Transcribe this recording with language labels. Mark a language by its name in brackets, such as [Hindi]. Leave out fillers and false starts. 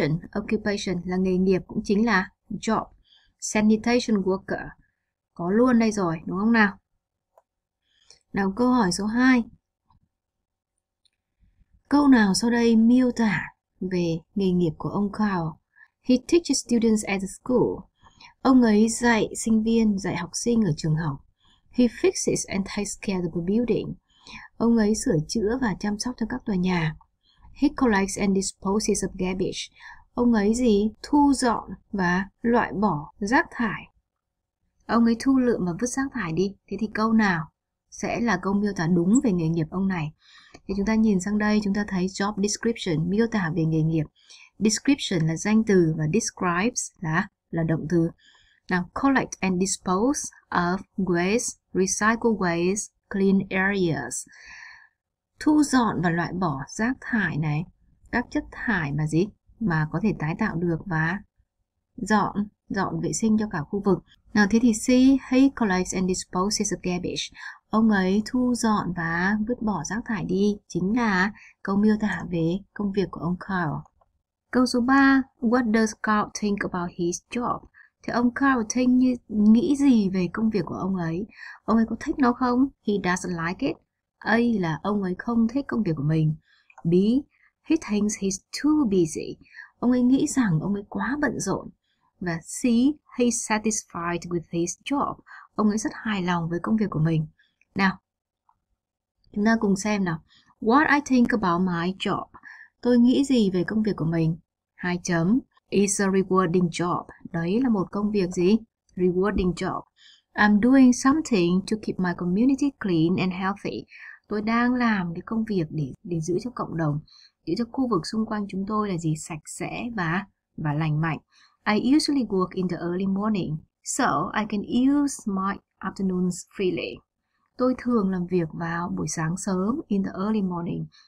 [Vietnamese] Occupation là nghề nghiệp, cũng chính là job. Sanitation worker, có luôn đây rồi, đúng không nào? Nào, câu hỏi số 2. Câu nào sau đây miêu tả về nghề nghiệp của ông Carl? [English] He teaches students at the school. [Vietnamese] Ông ấy dạy sinh viên, dạy học sinh ở trường học. [English] He fixes and takes care of the building. [Vietnamese] Ông ấy sửa chữa và chăm sóc cho các tòa nhà. [English] He collects and disposes of garbage. [Vietnamese] Ông ấy gì? Thu dọn và loại bỏ rác thải. Ông ấy thu lượm và vứt rác thải đi. Thế thì câu nào sẽ là câu miêu tả đúng về nghề nghiệp ông này? Thì chúng ta nhìn sang đây, chúng ta thấy job description miêu tả về nghề nghiệp. Description là danh từ và describes là động từ. [English] Now, collect and dispose of waste, recycle waste, clean areas. [Vietnamese] Thu dọn và loại bỏ rác thải này, các chất thải mà gì? Mà có thể tái tạo được và dọn dọn vệ sinh cho cả khu vực. Nào thế thì [English] C, he collects and disposes of garbage. [Vietnamese] Ông ấy thu dọn và vứt bỏ rác thải đi, chính là câu miêu tả về công việc của ông Carl. Câu số 3, [English] what does Carl think about his job? [Vietnamese] Thì ông Carl think như nghĩ gì về công việc của ông ấy? Ông ấy có thích nó không? [English] He doesn't like it. [Vietnamese] A là ông ấy không thích công việc của mình. [English] B, he thinks he's too busy. [Vietnamese] Ông ấy nghĩ rằng ông ấy quá bận rộn. [English] Và C, he's satisfied with his job. [Vietnamese] Ông ấy rất hài lòng với công việc của mình. Nào, chúng ta cùng xem nào. [English] What I think about my job. [Vietnamese] Tôi nghĩ gì về công việc của mình? Hai chấm. [English] Is a rewarding job. [Vietnamese] Đấy là một công việc gì? Rewarding job. [English] I'm doing something to keep my community clean and healthy. [Vietnamese] Tôi đang làm cái công việc để giữ cho cộng đồng, giữ cho khu vực xung quanh chúng tôi là gì? Sạch sẽ và lành mạnh. [English] I usually work in the early morning, so I can use my afternoons freely. [Vietnamese] Tôi thường làm việc vào buổi sáng sớm, [English] in the early morning.